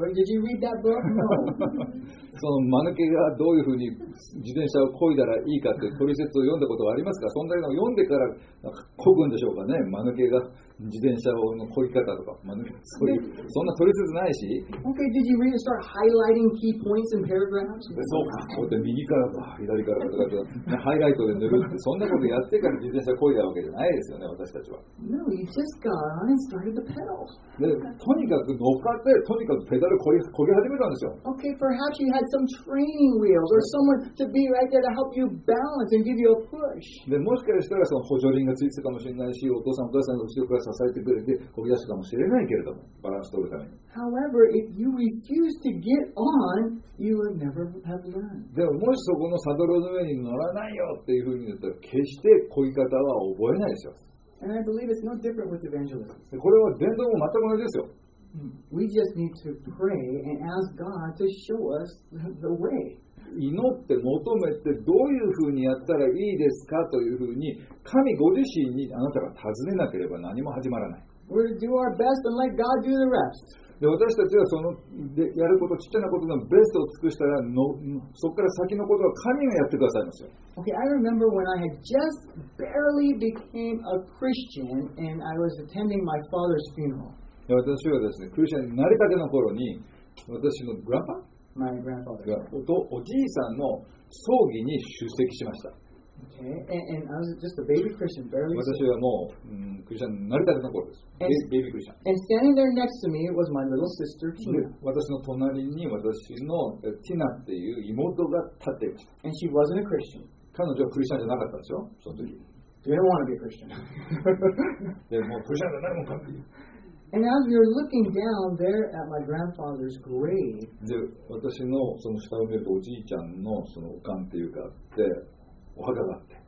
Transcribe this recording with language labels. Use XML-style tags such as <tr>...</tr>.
<en>Did you read that book? No.</en> <ja>その間抜けがどういうふうに自転車を漕いだらいいかって取説を読んだことはありますか。そんなのを読んでからなんか漕ぐんでしょうかね。間抜けが自転車の漕ぎ方とか、間抜けそういうそんな取説ないし。</ja> <en>Okay, did you really start highlighting key points and paragraphs?</en> <ja>そうか。こうやって右からか左からかとかってハイライトで塗るってそんなことやってから自転車漕いだわけじゃないですよね。私たちは。</ja> <en>No, you just got on and started the pedals.</en> <ja>でとにかく乗っかってとにかくペダル漕ぎ始めたんですよ。</ja> <en>Okay, perhaps you had had some training wheels or someone to be right there to help you balance and give you a push.</en> <ja>でもしかしたらその補助輪がついてたかもしれないし、お父さんお母さんの後ろから支えてくれて漕ぎ出したかもしれないけれども、バランス取るために。</ja> <en>However, if you refuse to get on, you will never have learned.</en> <ja>でももしそこのサドルの上に乗らないよっていうふうに言ったら、決して漕ぎ方は覚えないですよ。</ja> <en>And I believe it's no different with evangelism.</en> <ja>これは伝道も全く同じですよ。</ja> <en>We just need to pray and ask God to show us the way.</en> <ja>祈って求めてどういうふうにやったらいいですかというふうに神ご自身にあなたが尋ねなければ何も始まらない。</ja> <en>We'll do our best and let God do the rest.</en> <ja>で私たちはそのでやることちっちゃなことのベストを尽くしたらのそこから先のことは神がやってくださいますよ。</ja> <en>Okay, I remember when I had just barely became a Christian and I was attending my father's funeral.</en> <ja>私はですね、クリスチャンになりたての頃に、私のグランパ、</ja> <en>my grandfather.</en> <ja>おじいさんの葬儀に出席しました。</ja> <en>Okay. And I was just a baby Christian, barely.</en> <ja>私はもう、クリスチャンになりたての頃です。ベビークリスチャン。</ja> <en>And standing there next to me was my little sister Tina.</en> <ja>私の隣に私のティナっていう妹が立っていました。</ja> <en>And she wasn't a Christian.</en> <ja>彼女はクリスチャンじゃなかったんですよ、その時。</ja> <en>She didn't want to be a Christian.</en> <ja>でもうクリスチャンじゃないもんかっていう。</ja> <en>And as we were looking down there at my grandfather's grave,</en> <ja>で私のその下を見るとおじいちゃんのそのおかんっていうかあってお墓があって。</ja>